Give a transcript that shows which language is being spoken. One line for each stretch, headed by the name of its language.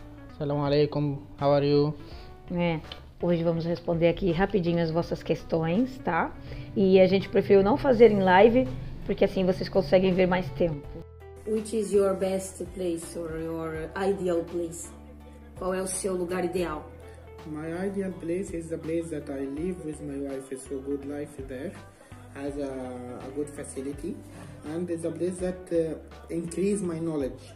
Arabic: Assalamu alaikum,
English: how are you?
Portuguese: Hoje vamos responder aqui rapidinho as vossas questões, tá? E a gente preferiu não fazer em live, porque assim vocês conseguem ver mais tempo.
English: Which is your best place or your ideal place?
Portuguese: Qual é o seu lugar ideal?
English: My ideal place is the place that I live with my wife. It's a good life there, has a good facility, and it's a place that increase my knowledge.